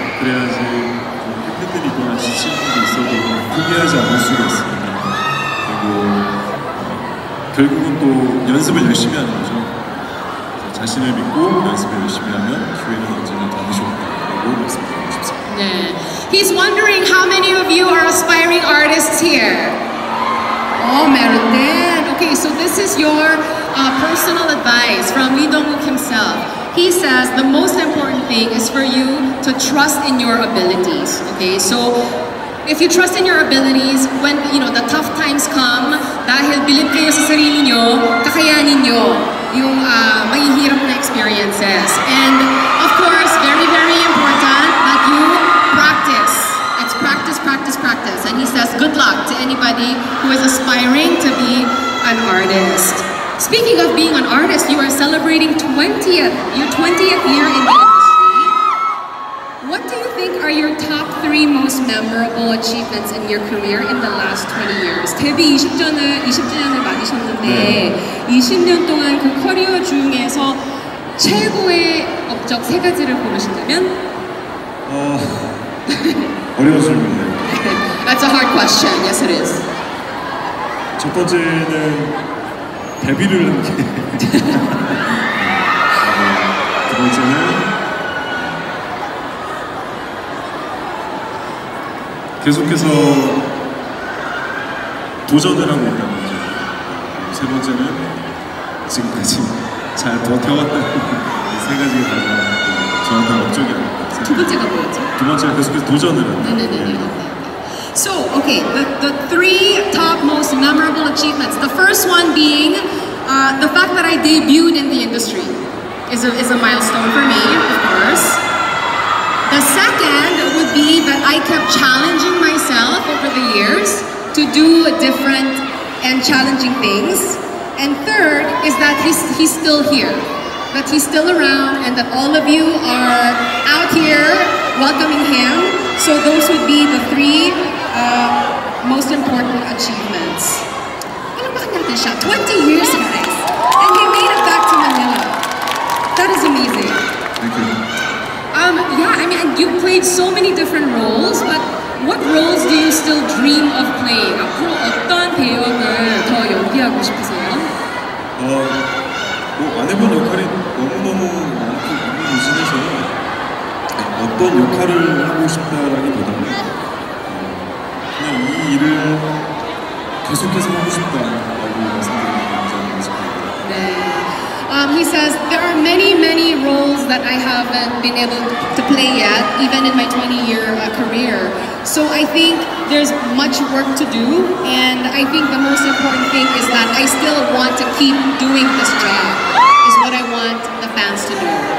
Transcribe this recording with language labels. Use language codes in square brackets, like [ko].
[ko] 그래야지 팬들이 있거나 지친 분도 있어도 포기하지 않을 수가 있습니다. 그리고 결국은 또 연습을 열심히 하는 거죠. 자신을 믿고 연습을 열심히 하면 기회는 언제나 닿으셨다고 말씀드리고 싶습니다. 네. [en] He's wondering how many of you are aspiring artists here? Oh, 메르데. Okay, so this is your personal advice from Lee Dong-wook himself. He says the most important thing is for you to trust in your abilities. Okay, so if you trust in your abilities, when you know the tough times come, [tl] dahil bilib kayo sa sarili nyo, kakayanin nyo yung mahihirap na experiences. [en] And of course, very, very important that you practice. It's practice, practice, practice. And he says good luck to anybody who is aspiring to be an artist. Speaking of being an artist, you are celebrating your 20th year in the industry. What do you think are your top three most memorable achievements in your career in the last 20 years? [ko] 데뷔 20주년을 맞으셨는데 20년 동안 그 커리어 중에서 최고의 업적 세 가지를 고르신다면? 어려운 질문이네요. [en] That's a hard question. Yes, it is. [ko] 첫 번째는 데뷔를 한 게. 두 번째는 계속해서 도전을 하고 있다는 거죠. 세 번째는 지금까지 잘 버텨왔다는 거. 세 가지가 가장 저한테 업적이 아닐까. 두 번째가 뭐였죠? 두 번째가 계속해서 도전을 하는 거예요. 네네네. 네. [en] So, okay, the three top most memorable achievements. The first one being the fact that I debuted in the industry is a milestone for me, of course. The second would be that I kept challenging myself over the years to do different and challenging things. And third is that he's still here, that he's still around and that all of you are out here welcoming him. So those would be the three most important achievements. 20 years of this. And he made it back to Manila. That is amazing. Thank you. Yeah, I mean, you played so many different roles, but what roles do you still dream of playing? [ko] 앞으로 어떤 배역을 더 연기하고 싶으세요? 안 해본 역할이 너무너무 많고 무진해서요. 어떤 역할을 하고 싶다라기보다는 그냥 이 일을 계속해서 하고 싶다라고 생각하는 감정이 있습니다. 네. [en] He says, there are many, many roles that I haven't been able to play yet, even in my 20-year career. So I think there's much work to do, and I think the most important thing is that I still want to keep doing this job, is what I want the fans to do.